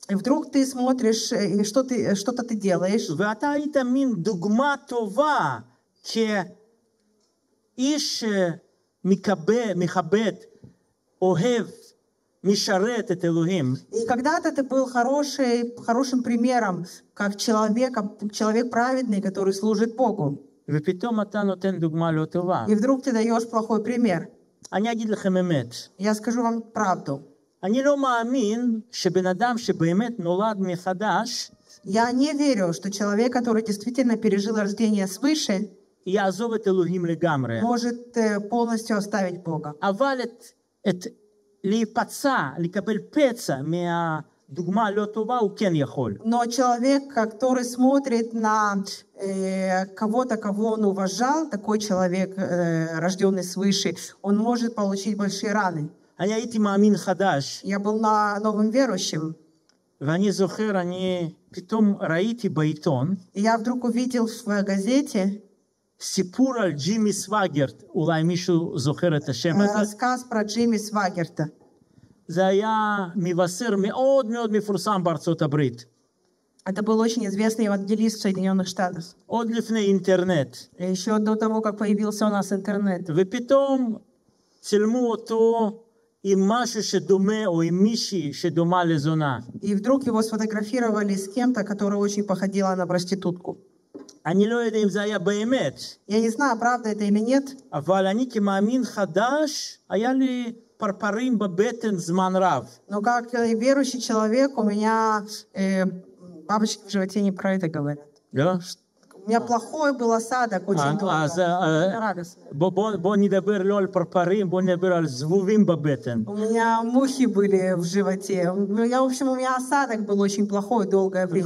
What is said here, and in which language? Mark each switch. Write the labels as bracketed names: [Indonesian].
[Russian] И вдруг ты смотришь, и что ты, что-то ты делаешь. [Hebrew] ואתה היית מין דוגמה טובה כ... איש מכבד, אוהב, משרת את אלוהים. [Russian] И когда-то ты был хорошим примером, как человек праведный, который служит Богу. [Hebrew] ופתאום אתה נותן דוגמה לא טובה. [Russian] И вдруг ты даешь плохой пример. [Hebrew] אני אגיד לכם אמת. [Russian] Я скажу вам правду. [Hebrew] אני לא מאמין שבן אדם שבאמת נולד מחדש, [Russian] я не верю, что человек, который действительно пережил рождение свыше, [Hebrew] יעזוב את אלוהים לגמרי. [Russian] Может полностью оставить Бога. [Hebrew] אבל את להיפצע, לקבל פצע מהדוגמה לא טובה, הוא כן יכול. [Russian] Но человек, который смотрит на кого-то, кого он уважал, такой человек, рожденный свыше, он может получить большие раны. [Hebrew] אני הייתי מאמין חדש. [Russian] Я был новым верующим. [Hebrew] ואני זוכר, אני פתאום ראיתי בעיתון. [Russian] Я вдруг увидел в газете. [Hebrew] סיפור על ג'ימי סוואגרט, אולי מישהו זוכר את השם הזה? רסקס פרא ג'ימי סוואגרט. זה היה מבשר מאוד מאוד מפורסם בארצות הברית. [Russian] Это был очень известный евангелист в Соединенных Штатах. [Hebrew] עוד לפני אינטרנט. [Russian] Еще до того, как появился у нас интернет. [Hebrew] ופתאום צילמו אותו עם משהו שדומה או עם מישהי שדומה לזונה. [Russian] И вдруг его сфотографировали с кем-то, которая очень походила на проститутку. [Hebrew] אני לא יודע אם זה היה באמת. [Russian] Я не знаю, правда это или нет. [Hebrew] אבל אני כמאמין חדש, היה לי פרפרים בבטן זמן רב. [Russian] Но как верующий человек, у меня бабочки в животе не про это говорят. Да? У меня плохой был осадок, очень много. У меня мухи были в животе. Я, в общем, у меня осадок был очень плохой долгое время.